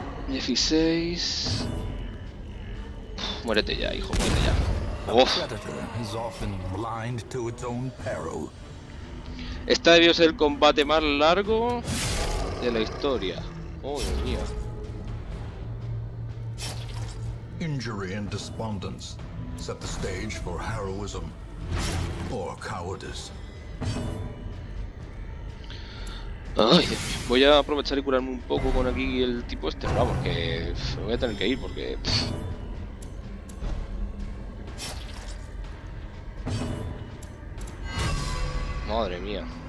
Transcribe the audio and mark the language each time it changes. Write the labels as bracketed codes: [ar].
[es] 16. Muérete ya, hijo. Muérete ya. Uf. Este debió ser el combate más largo de la historia. Oh, Dios mío. [en] Injury and despondence set the stage for heroism or cowardice. [es] Ay, voy a aprovechar y curarme un poco con aquí el tipo este. Vamos, que me voy a tener que ir porque. Madre mía.